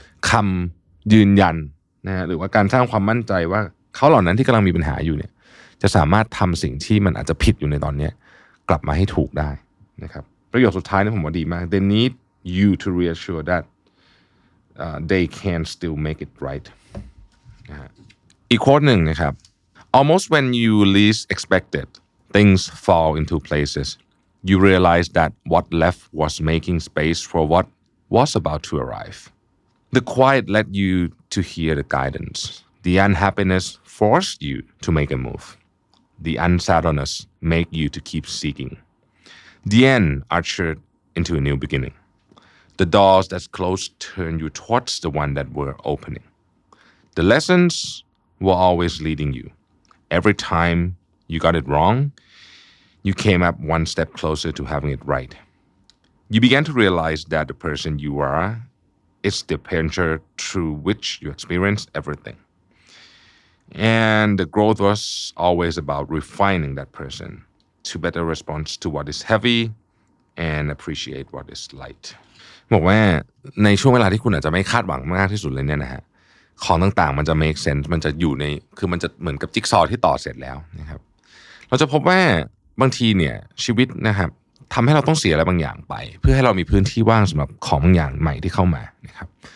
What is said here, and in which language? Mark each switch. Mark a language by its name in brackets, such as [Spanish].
[Thai] คำยืนยันนะฮะหรือว่าการสร้างความมั่นใจว่าเขาเหล่านั้นที่กำลังมีปัญหาอยู่เนี่ยจะสามารถทำสิ่งที่มันอาจจะผิดอยู่ในตอนนี้กลับมาให้ถูกได้นะครับประโยคสุดท้ายนี่ผมว่าดีมาก [English] they need you to reassure that they can still make it right [Thai] อีกโค้ดหนึ่งนะครับ [English] almost when you least expect itThings fall into places. You realize that what left was making space for what was about to arrive. The quiet led you to hear the guidance. The unhappiness forced you to make a move. The unsettledness made you to keep seeking. The end ushered into a new beginning. The doors that closed turned you towards the one that were opening. The lessons were always leading you. Every time you got it wrong,You came up one step closer to having it right. You began to realize that the person you are is the picture through which you experience everything. And the growth was always about refining that person to better respond to what is heavy and appreciate what is light. [Thai] บอกว่าในช่วงเวลาที่คุณอาจจะไม่คาดหวังมากที่สุดเลยเนี่ยนะฮะของต่างๆมันจะ make sense มันจะอยู่ในคือมันจะเหมือนกับจิ๊กซอว์ที่ต่อเสร็จแล้วนะครับเราจะพบว่าบางทีเนี่ยชีวิตนะครับทำให้เราต้องเสียอะไรบางอย่างไปเพื่อให้เรามีพื้นที่ว่างสำหรับของบางอย่างใหม่ที่เข้ามานะครับ